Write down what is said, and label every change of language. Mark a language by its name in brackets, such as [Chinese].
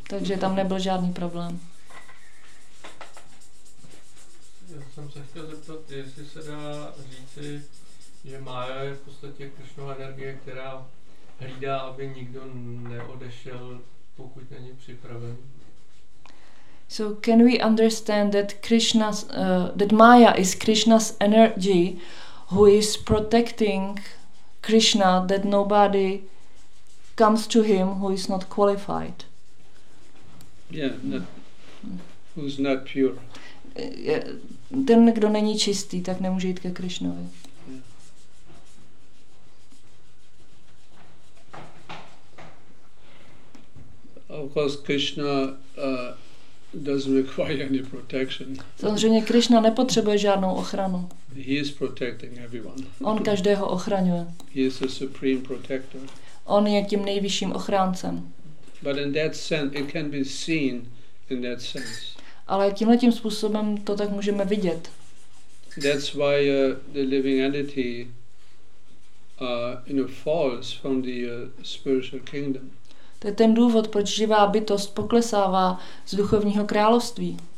[Czech] Takže tam nebyl žádný problém. Já jsem se chtěl zeptat, jestli se dá říci, že Maja je v podstatě Krišnova energie, která hlídá, aby nikdo neodešel, pokud není připraven. [English] So can we understand that Krishna's that Maya is Krishna's energy who is protecting Krishna that nobody comes to him who is not qualified. Yeah, who's not pure. [Czech] Ten, kdo není čistý, tak nemůže jít ke Krišnovi. [English] Yeah. Of course, Krishna doesn't require any protection. [Czech] Samozřejmě Krišna nepotřebuje žádnou ochranu. [English] He is protecting everyone. [Czech] On každého ochraňuje. [English] He is a supreme protector. [Czech] On je tím nejvyšším ochráncem. [English] But in that sense, it can be seen in that sense. [Czech] Ale tímhle tím způsobem to tak můžeme vidět. [English] That's why the living entity falls from the spiritual kingdom. [Czech] To je ten důvod, proč živá bytost poklesává z duchovního království.